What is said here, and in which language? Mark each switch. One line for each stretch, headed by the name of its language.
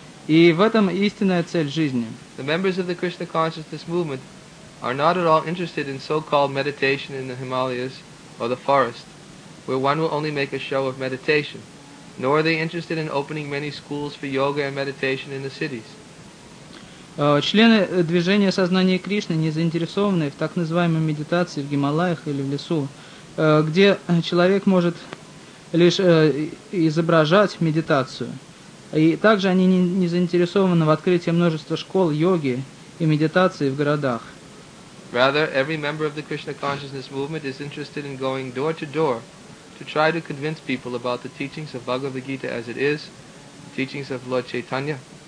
Russian: И в этом истинная цель жизни.
English: The members of the Krishna consciousness movement are not at all interested in so-called meditation in the Himalayas or the forest, where one will only make a show of meditation, nor are they interested in opening many schools for yoga and meditation in the cities.
Russian: Члены движения сознания Кришны не заинтересованы в так называемой медитации в Гималаях или в лесу, где человек может лишь изображать медитацию. И также они не заинтересованы в открытии множества школ йоги и медитации в городах.
English: Rather, every member of the Krishna consciousness movement is interested in going door to door to try to convince people about the teachings of Bhagavad Gita as it is, the teachings of Lord Chaitanya.